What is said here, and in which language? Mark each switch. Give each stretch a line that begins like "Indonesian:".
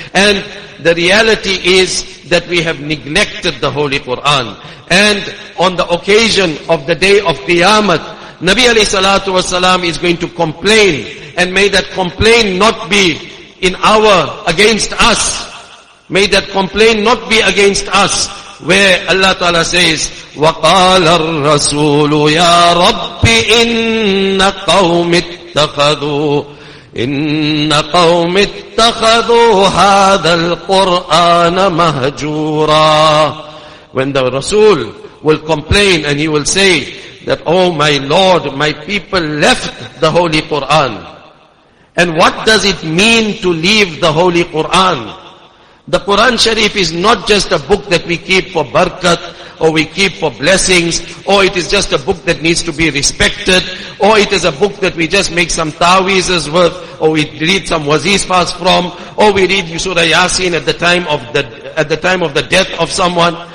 English: And the reality is that we have neglected the Holy Quran. And on the occasion of the day of Qiyamah, Nabi alayhi salatu wa salam is going to complain. And may that complaint not be in our, against us. May that complaint not be against us. Where Allah Ta'ala says,
Arabic: وَقَالَ الرَّسُولُ يَا رَبِّ إِنَّ قَوْمِ اتَّخَذُوا إِنَّ قَوْمِ اتَّخَذُوا هَذَا الْقُرْآنَ مَهْجُورًا.
English: When the Rasul will complain and he will say that, oh my Lord, my people left the Holy Quran. And what does it mean to leave the Holy Quran? The Quran Sharif is not just a book that we keep for barakat, or we keep for blessings, or it is just a book that needs to be respected, or it is a book that we just make some ta'weezes with, or we read some wazifas from, or we read Surah Yasin at the time of the death of someone.